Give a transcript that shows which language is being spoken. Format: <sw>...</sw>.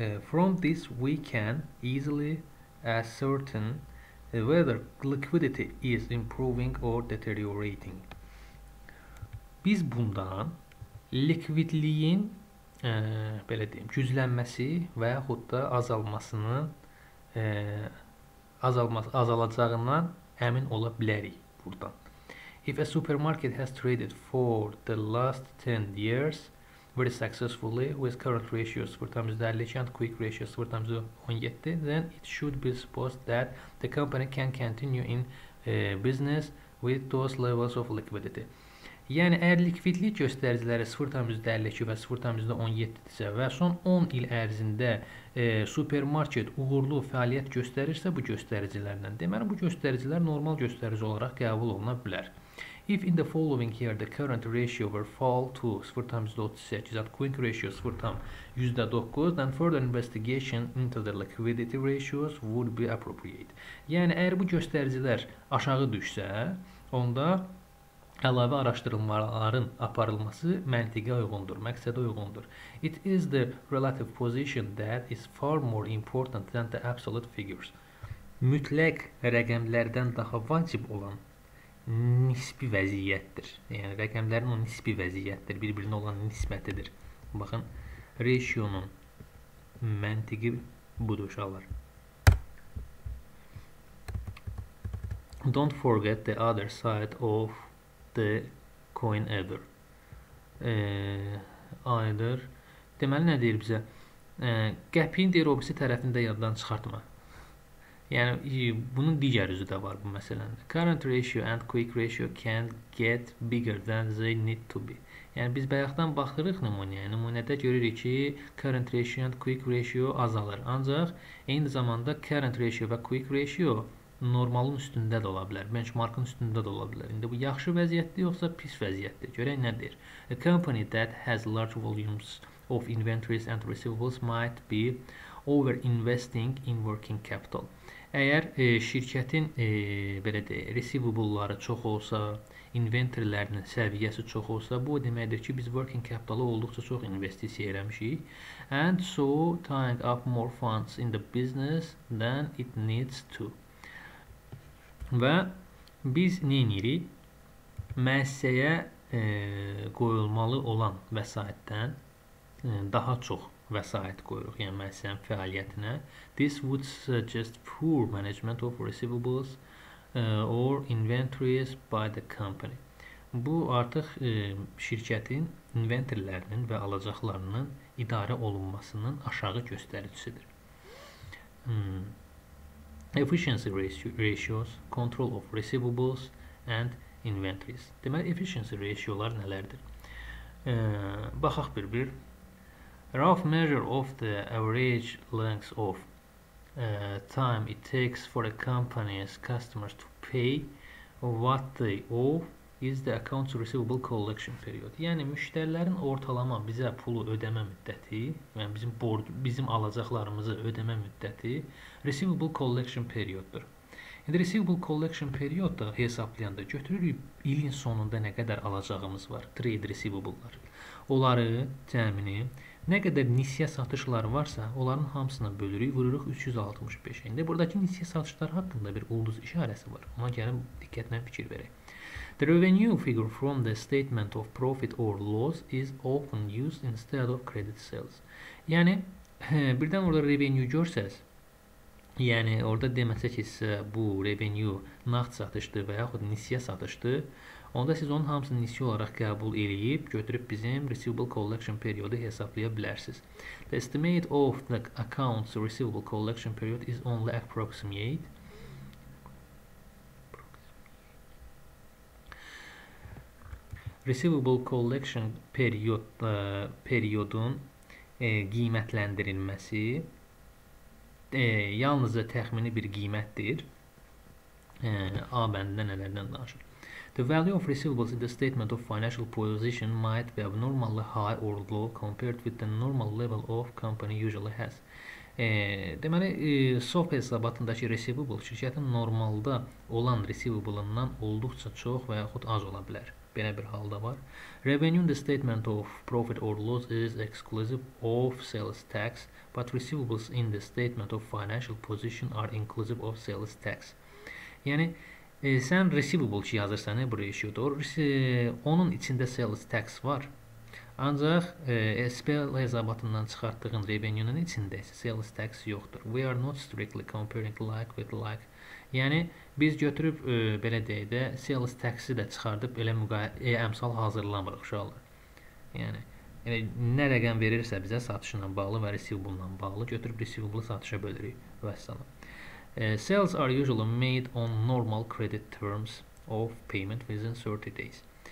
<en>From this we can easily ascertain whether liquidity is improving or deteriorating.</en> <az>Biz bundan likvidliyin belə deyim, güclənməsi və yaxud da azalmasının azalacağından əmin ola bilərik burdan.</az> <en>If a supermarket has traded for the last 10 years very successfully with current ratio 0.52 and quick ratio 0.17, then it should be supposed that the company can continue in business with those levels of liquidity.</en> <az>Yəni əgər likvidlik göstəriciləri 0.52 və 0.17-dirsə və son 10 il ərzində supermarket uğurlu fəaliyyət göstərirsə bu göstəricilərlə, deməli bu göstəricilər normal göstərici olaraq qəbul oluna bilər.</az> <en>If in the following year the current ratio were fall to 0.38 and quick ratio 0.09, then further investigation into the liquidity ratios would be appropriate.</en> <az>Yəni əgər bu göstəricilər aşağı düşsə, onda əlavə araşdırmaların aparılması məntiqə uyğundur, məqsədə uyğundur. It is the relative position that is far more important than the absolute figures. Mütləq rəqəmlərdən daha vacib olan nisbi vəziyyətdir. Yəni rəqəmlərin o nisbi vəziyyətdir, bir-birinə olan nisbətidir. Baxın, ratio-nun məntiqi budur uşaqlar.</az> <en>Don't forget the other side of the coin either.</en> <az>Either. Deməli nə deyir bizə? Qəpiyin deyir obisi tərəfini də yaddan çıxartma. Yəni bunun digər üzü də var bu məsələnin.</az> <en>Current ratio and quick ratio can get bigger than they need to be.</en> <az>Yəni biz bayaqdan baxırıq nümunəyə. Nümunədə görürük ki,</az> <en>current ratio and quick ratio</en> <az>azalır. Ancaq eyni zamanda current ratio və quick ratio normalın üstündə də ola bilər, benchmarkın üstündə də ola bilər. İndi bu yaxşı vəziyyətdir yoxsa pis vəziyyətdir? Görək nə deyir?</az> <en>A company that has large volumes of inventories and receivables might be over-investing in working capital.</en> <az>Əgər şirkətin belə deyək, receivable-ları çox olsa, inventory-lərinin səviyyəsi çox olsa, bu deməkdir ki, biz working capital-a olduqca çox investisiya eləmişik.</az> <en>And so tying up more funds in the business than it needs to.</en> <az>Və biz nə edirik? Müəssisəyə qoyulmalı olan vəsaitdən daha çox vəsait qoyuruq, yəni müəssisənin fəaliyyətinə.</az> <en>This would suggest poor management of receivables or inventories by the company.</en> <az>Bu artıq şirkətin inventorlarının və alacaqlarının idarə olunmasının aşağı göstəricisidir.</az> <en>Efficiency ratios, control of receivables and inventories.</en> <az>Deməli, efficiency ratio-lar nələrdir? Baxaq bir-bir.</az> <en>Rough measure of the average length of time it takes for a company's customers to pay what they owe is the accounts receivable collection period.</en> <az>Yəni, müştərilərin ortalama bizə pulu ödəmə müddəti, yəni bizim alacaqlarımızı ödəmə müddəti receivable collection period-dur. İndi receivable collection periodda hesaplayanda götürürük ilin sonunda nə qədər alacağımız var, trade receivable'lar. Onları, təmini, nə qədər nisiyə satışları varsa, onların hamısını bölürük, vururuq 365. İndi buradakı nisiyə satışları haqqında bir ulduz işarəsi var. Ona gəlin diqqətlə fikir verək.</az> <en>The revenue figure from the statement of profit or loss is often used instead of credit sales.</en> <az>Yəni, birdən orada revenue görsəz, yəni orada deməsək isə bu revenue nağd satışdır və yaxud nisiyə satışdır, onda siz onun hamısını nisiyə olaraq qəbul edib, götürüb bizim receivable collection periodu hesablaya bilərsiniz.</az> <en>The estimate of the account's receivable collection period is only approximate.</en> <az>Receivable collection periodun qiymətləndirilməsi yalnızca təxmini bir qiymətdir. A bəndində nələrdən danışır.</az> <en>The value of receivables in the statement of financial position might be abnormally high or low compared with the normal level of company usually has.</en> <az>Deməli, SOP hesabatındakı receivable şirkətin normalda olan receivable-ından olduqca çox və yaxud az ola bilər. Belə bir halda var.</az> <en>Revenue in the statement of profit or loss is exclusive of sales tax, but receivables in the statement of financial position are inclusive of sales tax.</en> <az>Yəni, sən receivable ki yazırsan, bu ratio doğru. Onun içində sales tax var. Ancaq SPL hesabatından çıxartdığın revenue-nun içində isə sales tax yoxdur.</az> <en>We are not strictly comparing like with like.</en> <az>Yəni, biz götürüb, belə deyək də, sales tax-i də çıxardıb, elə əmsal hazırlamırıq uşaqlar. Yəni, nə rəqəm verirsə bizə satışla bağlı və receivable-la bağlı, götürüb receivable-ı satışa bölürük. Vəssalam.</az> <en>Sales are usually made on normal credit terms of payment within 30 days.</en>